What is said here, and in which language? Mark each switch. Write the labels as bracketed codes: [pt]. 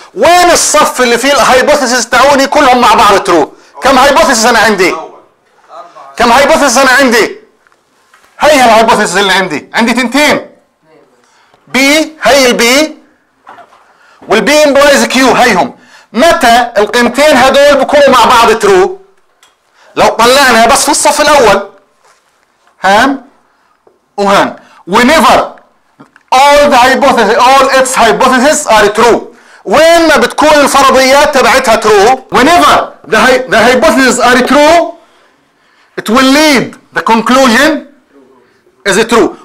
[ar] وين الصف اللي فيه الhypotheses تعوني كلهم مع بعض true؟ كم hypotheses أنا عندي؟ كم hypotheses أنا عندي؟ هاي الhypotheses اللي عندي. عندي تنتين. B هاي ال B وال B implies Q هايهم. متى القيمتين هدول بكونوا مع بعض true؟ لو طلعنا بس في الصف الأول. هام وهام. [en] Whenever all the hypothesis, all its hypotheses are true. [ar] وين ما بتكون الفرضيات تبعتها true. [en] Whenever the hypothesis are true, it will lead the conclusion is true.